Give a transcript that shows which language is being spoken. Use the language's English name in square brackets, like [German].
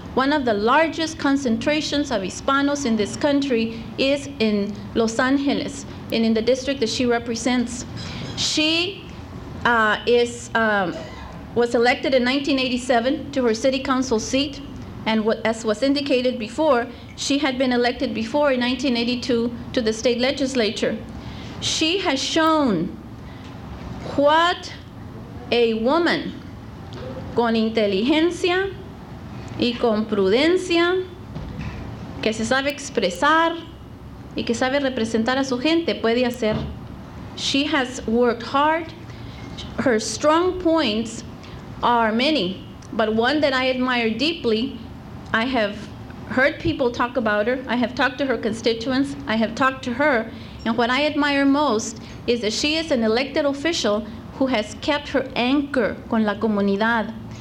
[English] One of the largest concentrations of Hispanos in this country is in Los Angeles and in the district that she represents. She was elected in 1987 to her city council seat, and as was indicated before, she had been elected before in 1982 to the state legislature. She has shown what a woman [Spanish] con inteligencia y con prudencia, que se sabe expresar y que sabe representar a su gente, puede hacer. [English] She has worked hard. Her strong points are many, but one that I admire deeply, I have heard people talk about her, I have talked to her constituents, I have talked to her, and what I admire most is that she is an elected official who has kept her anchor [Spanish] con la comunidad.